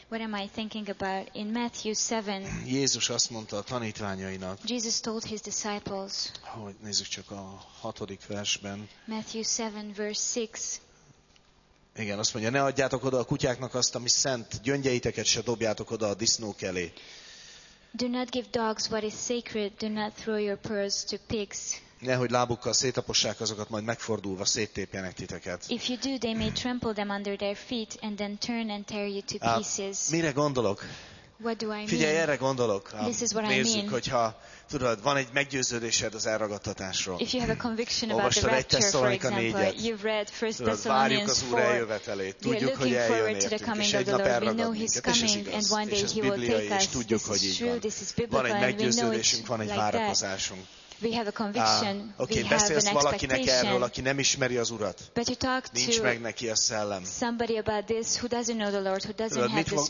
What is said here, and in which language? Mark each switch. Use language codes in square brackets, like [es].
[en] What am I thinking about? In Matthew 7. [hu] Jézus azt mondta a tanítványainak. [en] Jesus told his disciples. [hu] Hogy nézzük csak a 6. versben. [en] Matthew 7 verse 6. [hu] Igen, azt mondja, ne adjátok oda a kutyáknak azt, ami szent, gyöngyeiteket se dobjátok oda a disznók elé. [en] Do not give dogs what is sacred, do not throw your pearls to pigs. [hu] Nehogy lábukkal szétapossák azokat, majd megfordulva széttépjenek titeket. [en] If you do, they may trample them under their feet and then turn and tear you to pieces. [hu] Mire gondolok? [en] What do I mean? [hu] Figyelj, erre gondolok. [en] This is what [hu] nézzük, [en] I mean. [hu] Hogyha tudod, van egy meggyőződésed az elragadtatásról. [en] If you have a conviction about the rapture, for example, you've read 1 Thessalonians [hu] Várjuk az Úr eljövetelét. Tudjuk, hogy eljön értünk, és egy nap elragad minket, és ez bibliai, és tudjuk, hogy így van. Van egy meggyőződésünk, van egy várakozásunk. [en] We have a conviction. Okay, we have an expectation. [hu] Erről, aki nem ismeri az Urat. [en] But you talk [hu] nincs [en] to [hu] meg neki a szellem. [en] Somebody about this who doesn't know the Lord, who doesn't have the Spirit.